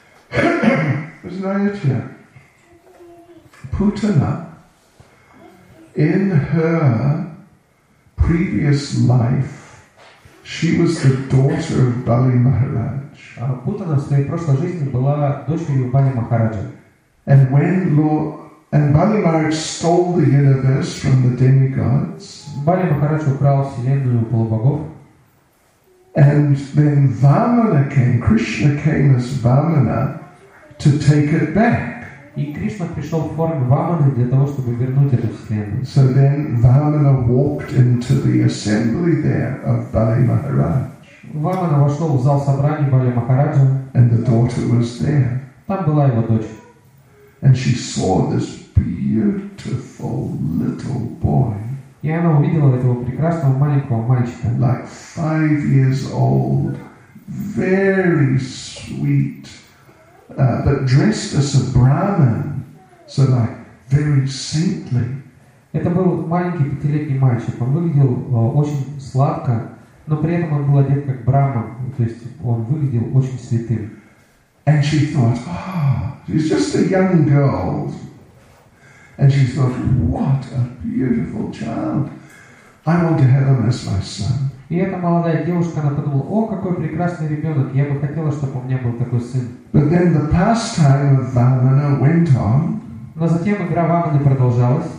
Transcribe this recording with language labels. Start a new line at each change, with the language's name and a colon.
Russian: Вы знаете,
English: Путана in her previous life she was the daughter of Бали Махарадж.
Russian: А Путана в своей прошлой жизни была дочерью Бали Махараджа.
English: And when Lord and Bali Maharaj stole the universe from the demigods,
Russian: Bali Maharaj украл вселенную у полубогов.
English: And then Vamana came, Krishna came as Vamana to take it back.
Russian: И Кришна пришел в форме Ваманы для того, чтобы вернуть эту вселенную.
English: So then Vamana walked into the assembly there of Bali Maharaj.
Russian: Вамана вошел в зал собраний Бали Махараджа.
English: And the daughter was there.
Russian: Там была его дочь.
English: And she saw this beautiful little boy.
Russian: И она увидела этого прекрасного маленького мальчика.
English: Like 5 years old, very sweet, but dressed as a Brahmin, so like very saintly.
Russian: Это был маленький 5-летний мальчик. Он выглядел очень сладко, но при этом он был одет как Брахман, то есть он выглядел очень святым.
English: And she thought, she's just a young girl. And she thought, what a beautiful child. I want to have him as my son.
Russian: И эта молодая девушка, она подумала, о, какой прекрасный ребенок, я бы хотела, чтобы у меня был такой сын.
English: But then the pastime of Vamana went on.
Russian: Но затем игра Ваманы продолжалась.